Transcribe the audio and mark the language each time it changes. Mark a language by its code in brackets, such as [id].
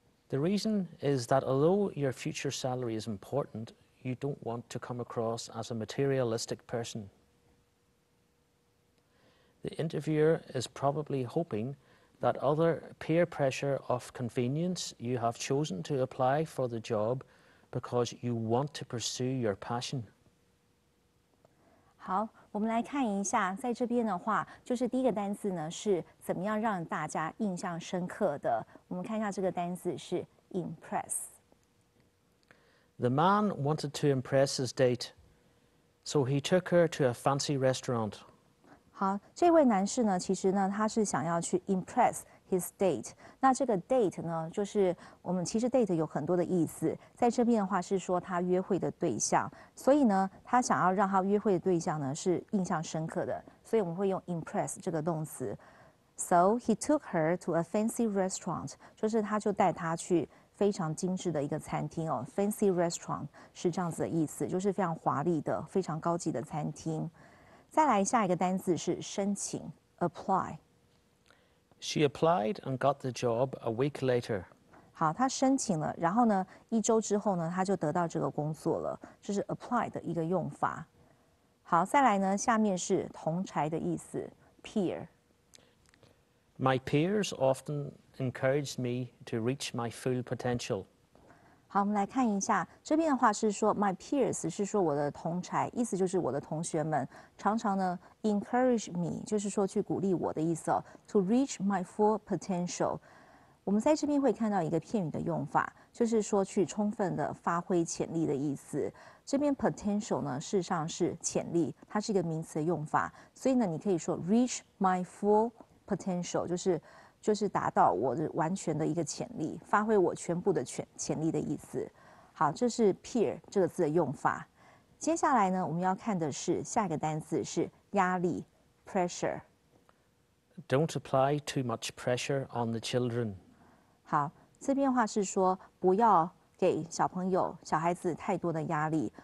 [en] The reason is that although your future salary is important, you don't want to come across as a materialistic person. The interviewer is probably hoping that other peer pressure of convenience you have chosen to apply for the job because you want to pursue your passion. [zh] 好，我们来看一下，在这边的话，就是第一个单字呢是怎么样让大家印象深刻的。我们看一下这个单字是 impress。 [en] The man wanted to impress his date, so he took her to a fancy restaurant. [zh] 好，这位男士呢，其实呢，他是想要去 [en] impress his date。 [zh] 那这个 date 呢，就是我们其实 date 有很多的意思，在这边的话是说他约会的对象，所以呢，他想要让他约会的对象呢是印象深刻的，所以我们会用 impress 这个动词。 [en] So he took her to a fancy restaurant， [zh] 就是他就带他去非常精致的一个餐厅哦 ， [en] fancy restaurant [zh] 是这样子的意思，就是非常华丽的、非常高级的餐厅。再来下一个单字是申请 apply。 [en] She applied and got the job a week later. [zh] 好，她申请了，然后呢，一周之后呢，她就得到这个工作了，这是 apply 的一个用法。好，再来呢，下面是同侪的意思 peer。 [en] My peers often encouraged me to reach my full potential. [zh] 好，我们来看一下这边的话是说 ， [en] my peers [zh] 是说我的同侪，意思就是我的同学们常常呢 [en] encourage me， [zh] 就是说去鼓励我的意思哦。 [en] To reach my full potential， [zh] 我们在这边会看到一个片语的用法，就是说去充分的发挥潜力的意思。这边 potential 呢，事实上是潜力，它是一个名词的用法，所以呢，你可以说 [en] reach my full potential， [zh] 就是达到我的完全的一个潜力，发挥我全部的潜力的意思。好，这是 peer 这个字的用法。接下来呢，我们要看的是下一个单字是压力 pressure。 [en] Don't apply too much pressure on the children。 [zh] 好，这边的话是说不要给小朋友、小孩子太多的压力。